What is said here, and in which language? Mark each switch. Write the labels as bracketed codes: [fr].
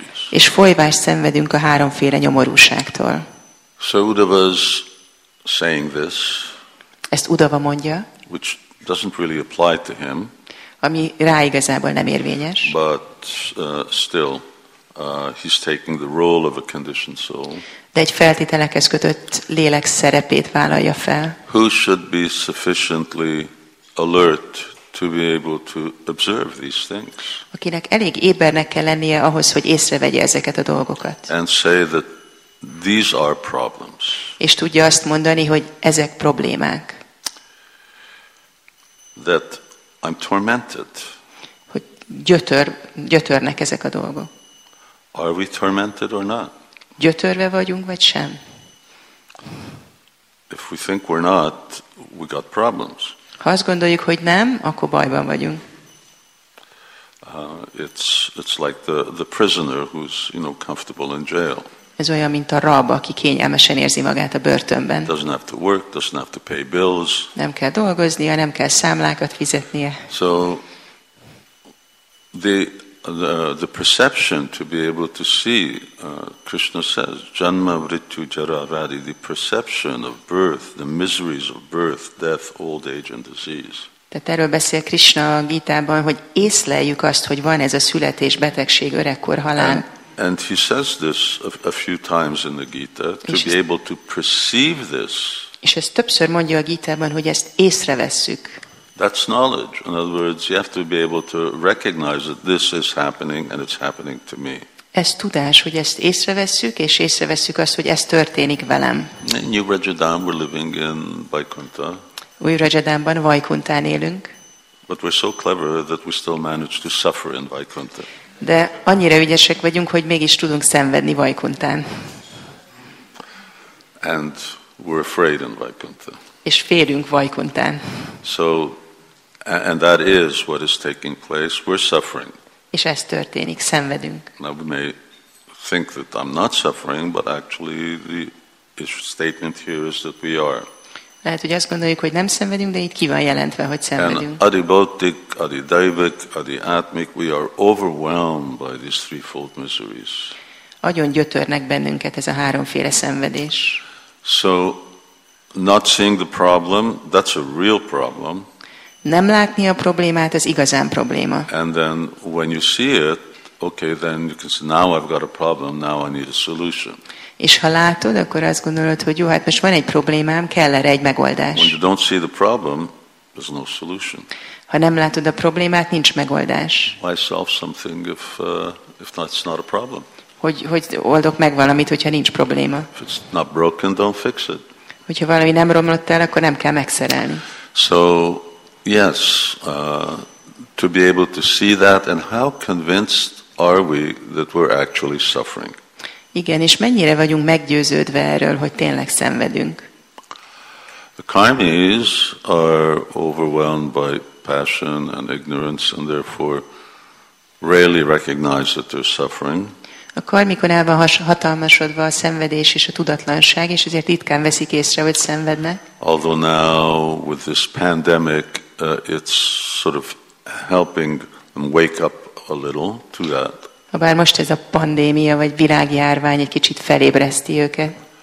[hu] És folyvást szenvedünk a háromféle nyomorúságtól. [en] So Uddhava's saying this. [hu] Ezt Uddhava mondja. [en] Which doesn't really apply to him. [hu] Ami rá igazából nem érvényes. [en] But still, he's taking the role of a conditioned soul. [hu] De egy feltételekhez kötött lélek szerepét vállalja fel. [en] Who should be sufficiently alert to be able to observe these things? [hu] Akinek elég ébernek kell lennie ahhoz, hogy észrevegye ezeket a dolgokat. [en] And say that these are problems. [hu] És tudja azt mondani, hogy ezek problémák. [en] That I'm tormented. [hu] Hogy gyötörnek ezek a dolgok. [en] Are we tormented or not? [hu] Gyötörve vagyunk vagy sem? [en] If we think we're not, we got problems. [hu] Ha azt gondoljuk, hogy nem, akkor bajban vagyunk. [en] It's like the prisoner who's, you know, comfortable in jail. [hu] Ez olyan, mint a rab, aki kényelmesen érzi magát a börtönben. [en] Doesn't have to work, doesn't have to pay bills. [hu] Nem kell dolgoznia, nem kell számlákat fizetnie. [en] So the perception to be able to see, Krishna says, [sa] janma mrityu jara vyadhi, [en] the perception of birth, the miseries of birth, death, old age and disease. [hu] Tehát erről beszél Krishna a Gita-ban, hogy észleljük azt, hogy van ez a születés, betegség, öregkor, halál. [en] And he says this a few times in the Gita, to be able to perceive this. [hu] És ezt többször mondja a Gita-ban, hogy ezt észrevesszük. [en] That's knowledge. In other words, you have to be able to recognize that this is happening and it's happening to me. [hu] Ez tudás, hogy ezt észrevesszük, és észrevesszük azt, hogy ez történik velem. [en] In Ujjayinban, we're living in Vaikuntha. [hu] Ujjayinban, Vaikunthán élünk. [en] But we're so clever that we still manage to suffer in Vaikuntha. [hu] De annyira ügyesek vagyunk, hogy mégis tudunk szenvedni Vaikunthán. [en] And we're afraid in Vaikuntha. [hu] És félünk Vaikunthán. [en] So, and that is what is taking place. We're suffering. [hu] És ez történik, szenvedünk. [en] Now we may think that I'm not suffering, but actually the statement here is that we are. [hu] Lehet, hogy azt gondoljuk, hogy nem szenvedünk, de itt ki van jelentve, hogy szenvedünk. [en] And adibhautik, adidaivik, adiatmik, we are overwhelmed by these threefold miseries. [hu] Agyon gyötörnek bennünket ez a háromféle szenvedés. [en] So, not seeing the problem, that's a real problem. [hu] Nem látni a problémát, ez igazán probléma. [en] And then when you see it, okay, then you can say, now I've got a problem, now I need a solution. [hu] És ha látod, akkor azt gondolod, hogy jó, hát most van egy problémám, kell erre egy megoldás. [en] When you don't see the problem, There's no solution. [hu] Ha nem látod a problémát, nincs megoldás. [en] Why solve something if that's not a problem? [hu] Hogy oldok meg valamit, hogyha nincs probléma? [en] If it's not broken, don't fix it. [hu] Hogyha valami nem romlott el, akkor nem kell megszerelni. [en] So, yes, to be able to see that, and how convinced are we that we're actually suffering? [hu] Igen, és mennyire vagyunk meggyőződve erről, hogy tényleg szenvedünk? [en] The karmis are overwhelmed by passion and ignorance, and therefore rarely recognize that they're suffering. [hu] A karmikon el van hatalmasodva a szenvedés és a tudatlanság, és ezért ritkán veszik észre, hogy szenvednek. [en] Although now with this pandemic, it's sort of helping them wake up a little to that. [hu] Habár most ez a pandémia vagy világjárvány egy kicsit felébreszti őket.